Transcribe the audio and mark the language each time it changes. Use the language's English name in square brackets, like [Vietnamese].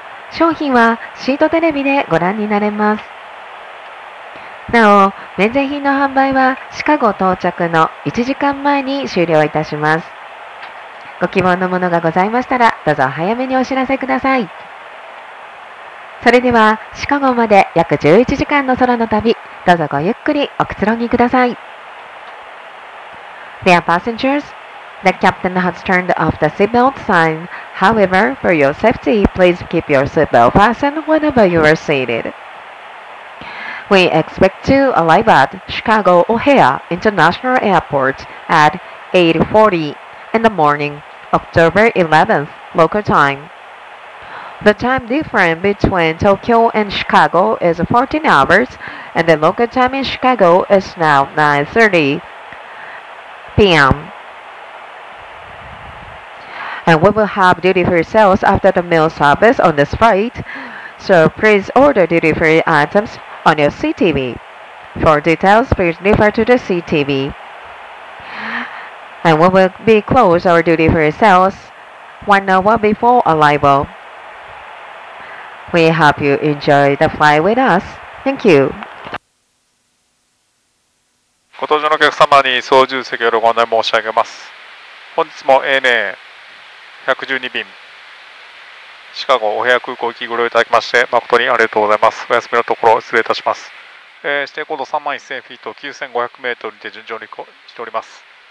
[Japanese] 商品はシートテレビでご覧になれます。なお、免税品の販売はシカゴ到着の1時間前に終了いたします。ご希望のものがございましたら、どうぞ早めにお知らせください。それでは、シカゴまで約11時間の空の旅、どうぞごゆっくりおくつろぎください。 [English] Dear passengers,The captain has turned off the seatbelt sign. However, for your safety, please keep your seatbelt fastened whenever you are seated. We expect to arrive at Chicago O'Hare International Airport at 8:40 in the morning, October 11th, local time. The time difference between Tokyo and Chicago is 14 hours, and the local time in Chicago is now 9:30 p.m. And we will have duty-free sales after the meal service on this flight. So please order duty-free items on your CTV. For details, please refer to the CTV. And we will be close our duty-free sales 1 hour before arrival. We hope you enjoy the flight with us. Thank you. [Japanese] ご搭乗のお客様に操縦席よりご案内申し上げます。本日も ANA112便シカゴお部屋空港行きご利用いただきまして誠にありがとうございます。お休みのところ失礼いたします。指定高度3万1000フィート9500メートルにて順調にしております。